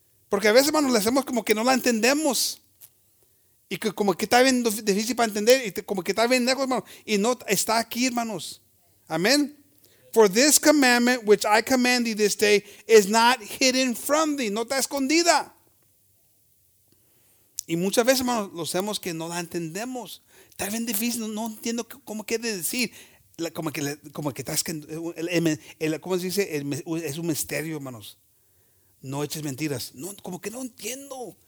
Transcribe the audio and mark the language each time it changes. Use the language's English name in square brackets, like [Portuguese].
[Spanish] Porque a veces, hermanos, le hacemos como que no la entendemos. Y que como que está bien difícil para entender. Y como que está bien lejos, hermanos. Y no está aquí, hermanos. Amén. [English] For this commandment which I command thee this day is not hidden from thee. [Spanish] No está escondida. Y muchas veces, hermanos, lo hacemos que no la entendemos. Está bien difícil. No entiendo cómo quiere decir. Como que estás que ¿cómo se dice? Es un misterio, hermanos. No eches mentiras. No, como que no entiendo.